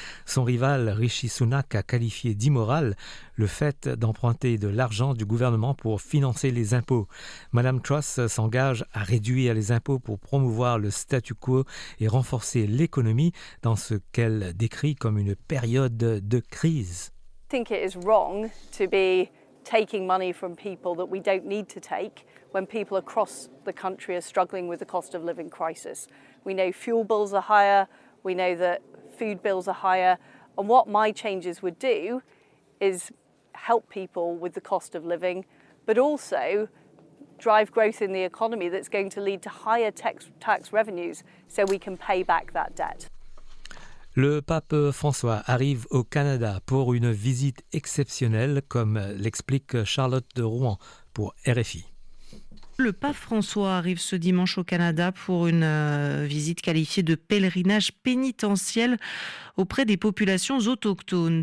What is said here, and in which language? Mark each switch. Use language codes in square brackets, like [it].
[fr] Son rival, Rishi Sunak, a qualifié d'immoral le fait d'emprunter de l'argent du gouvernement pour financer les impôts. Madame Truss s'engage à réduire les impôts pour promouvoir le statu quo et renforcer l'économie dans ce qu'elle décrit comme une période de crise. [en] I think it is wrong to be taking money from people that we don't need to take when people across the country are struggling with the cost of living crisis. We know fuel bills are higher, we know that food bills are higher, and what my changes would do is help people with the cost of living, but also drive growth in the economy that's going to lead to higher tax revenues so we can pay back that debt. [fr] Le pape François arrive au Canada pour une visite exceptionnelle, comme l'explique Charlotte de Rouen pour RFI. Le pape François arrive ce dimanche au Canada pour une visite qualifiée de pèlerinage pénitentiel auprès des populations autochtones.